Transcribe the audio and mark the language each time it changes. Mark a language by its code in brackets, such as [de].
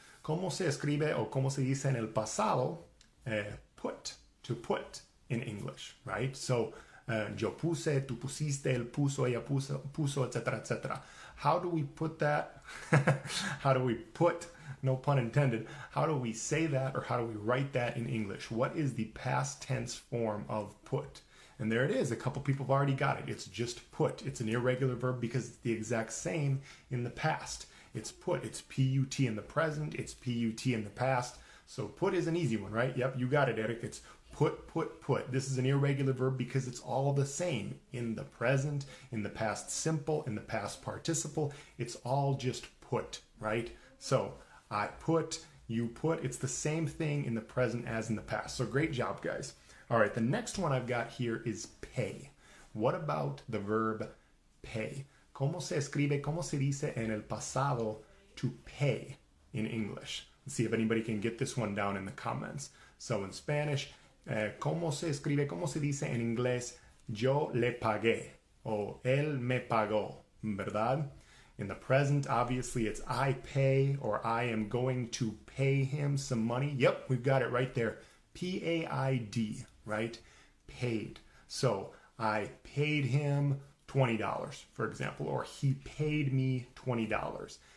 [es] ¿Cómo se escribe o cómo se dice en el pasado? [en] Put, to put, in English, right? [es] So yo puse, tú pusiste, él puso, ella puso, etc., etc. [en] How do we put that? How do we put, no pun intended, how do we say that or how do we write that in English? What is the past tense form of put? And there it is. A couple people have already got it. It's just put. It's an irregular verb because it's the exact same in the past. It's put. It's P-U-T in the present. It's P-U-T in the past. So put is an easy one, right? Yep, you got it, Eric. It's put, put, put. This is an irregular verb because it's all the same in the present, in the past simple, in the past participle. It's all just put, right? So I put, you put. It's the same thing in the present as in the past. So great job, guys. All right, the next one I've got here is pay. What about the verb pay? [es] ¿Cómo se escribe, cómo se dice en el pasado [en] to pay in English? Let's see if anybody can get this one down in the comments. So in Spanish, [es] ¿cómo se escribe, cómo se dice en inglés? Yo le pagué o él me pagó, ¿verdad? [en] In the present, obviously, it's I pay or I am going to pay him some money. Yep, we've got it right there. P-A-I-D, right? Paid. So I paid him $20, for example, or he paid me $20.